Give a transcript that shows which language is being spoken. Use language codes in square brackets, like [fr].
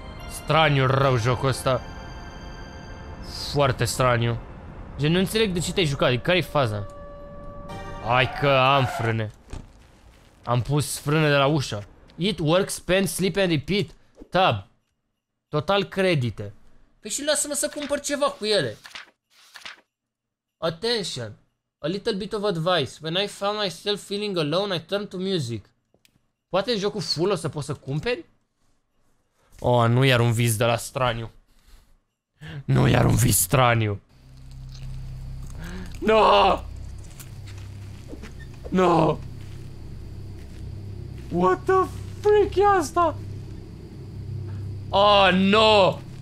[ro] Straniu rău jocul ăsta. Foarte straniu. Gen, nu înțeleg de ce te-ai jucat, care-i faza? Hai că am frâne. Am pus frâne de la ușă. [en] It works, spend, sleep and repeat. [ro] Tab. Total credite. Păi și lasă-mă să cumpăr ceva cu ele. [en] Attention. A little bit of advice. When I found myself feeling alone, I turned to music. [ro] Poate în jocul full o să poți să cumperi? Oh, nu iar un vis de la straniu. Nu iar un vis straniu. [en] No! No! What the freak [ro] e asta? [en] Oh, no!